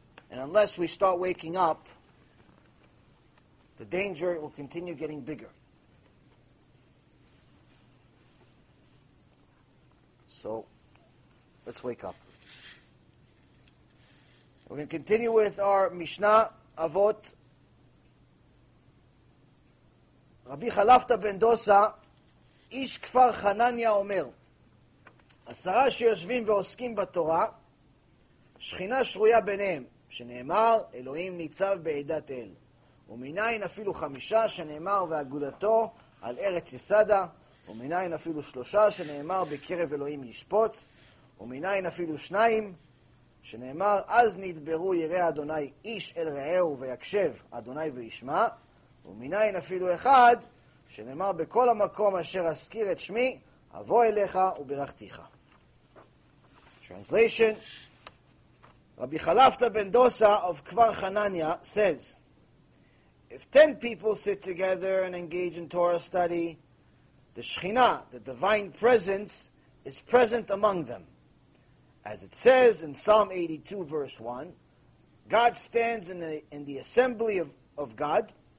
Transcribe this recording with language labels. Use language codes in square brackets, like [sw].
[en] And unless we start waking up, the danger will continue getting bigger. So, let's wake up. We're going to continue with our Mishnah, Avot. Rabbi Chalafta ben Dosa, [he] איש כפר חנניה אומר, עשרה שיושבים ועוסקים בתורה, שכינה שרויה ביניהם, שנאמר, אלוהים ניצב בעידת אל. ומניין אפילו חמישה, שנאמר, ואגודתו על ארץ יסדה. ומניין אפילו שלושה, שנאמר, בקרב אלוהים ישפוט. ומניין אפילו שניים, שנאמר, אז נדברו יראה אדוני איש אל רעהו ויקשב אדוני וישמע. ומניין אפילו אחד, שנאמר, בכל המקום אשר אזכיר את שמי, אבוא אליך וברכתיך. [en] Translation. Rabbi Chalafta ben Dosa of Kfar Hananya says, if 10 people sit together and engage in Torah study, the Shekhinah, the divine presence, is present among them. As it says in Psalm 82, verse 1, God stands in the assembly of God.